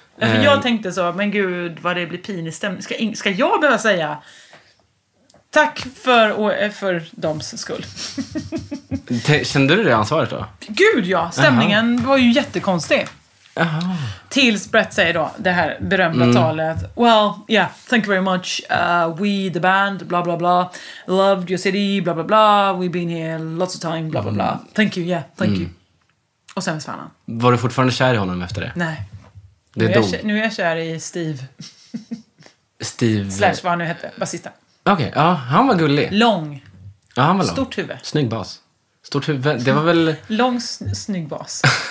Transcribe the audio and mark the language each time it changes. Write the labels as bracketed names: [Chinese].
[Swedish] För jag tänkte så, men gud vad det blir pinig stämning. Ska jag behöva säga... Tack för doms skull. Kände du det ansvaret då? Gud ja, stämningen var ju jättekonstig. Uh-huh. Tills Brett säger då det här berömda talet. [English] Well, yeah, thank you very much. We the band, blah blah blah. Loved your city, blah blah blah. We've been here lots of time, blah blah blah. Thank you, yeah, thank you. [Swedish] Och sen svann han. Var du fortfarande kär i honom efter det? Nej. Det nu, är kär, nu är jag kär i Steve. Steve. Slash vad han nu heter, basista. Okej, okay, ja, han var gullig. Lång. Ja, han var lång. Stort huvud. Snygg bas. Stort huvud, det var väl... Lång, snygg bas.